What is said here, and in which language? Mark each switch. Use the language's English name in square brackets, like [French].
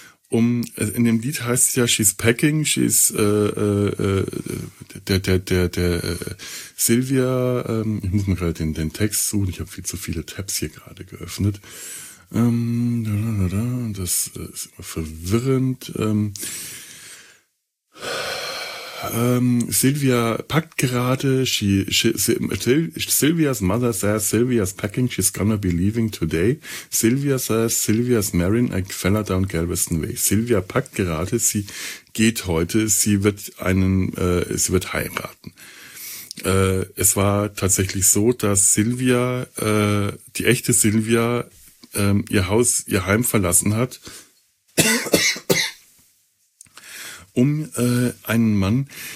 [German] In dem Lied heißt es ja, [English] she's packing, [German] Silvia, ich muss mir gerade den Text suchen, ich habe viel zu viele Tabs hier gerade geöffnet. Das ist immer verwirrend. Silvia packt gerade, [English] Silvia's mother says Silvia's packing, she's gonna be leaving today. Silvia says Silvia's marrying a fella down Galveston Way. [German] Silvia packt gerade, sie geht heute, sie wird heiraten. Es war tatsächlich so, dass Silvia, die echte Silvia, ihr Heim verlassen hat, um einen Mann